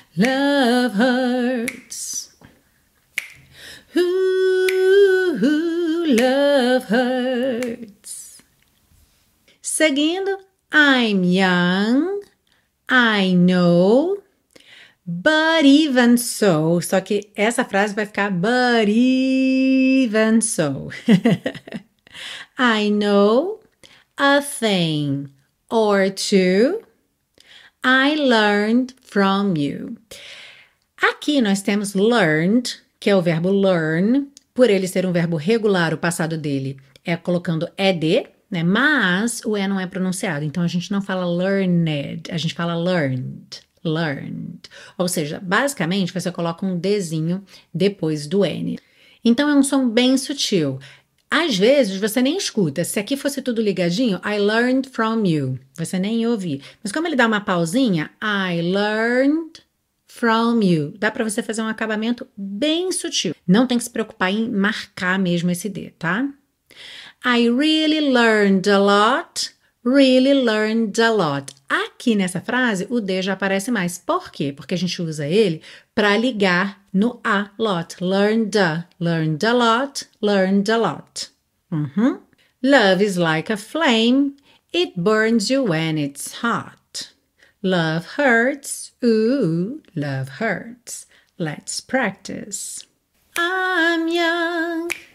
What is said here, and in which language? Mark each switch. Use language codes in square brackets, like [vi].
[en] Love hurts. Ooh, love hurts. [pt] Seguindo, [en] I'm young, I know, but even so. [pt] Só que essa frase vai ficar [en] but even so. I know a thing or two I learned from you. [pt] Aqui nós temos learned, que é o verbo learn, por ele ser um verbo regular, o passado dele é colocando ed. Né? Mas o E não é pronunciado, então a gente não fala learned, a gente fala learned, learned. Ou seja, basicamente você coloca um Dzinho depois do N. Então é um som bem sutil. Às vezes você nem escuta, se aqui fosse tudo ligadinho, [en] I learned from you, [pt] você nem ouve. Mas como ele dá uma pausinha, [en] I learned from you, [pt] dá para você fazer um acabamento bem sutil. Não tem que se preocupar em marcar mesmo esse D, tá? [en] I really learned a lot, really learned a lot. [pt] Aqui nessa frase, o D já aparece mais. Por quê? Porque a gente usa ele para ligar no a lot. [en] Learned a lot, learned a lot. Uhum. Love is like a flame, it burns you when it's hot. Love hurts, ooh, love hurts. Let's practice. I'm young.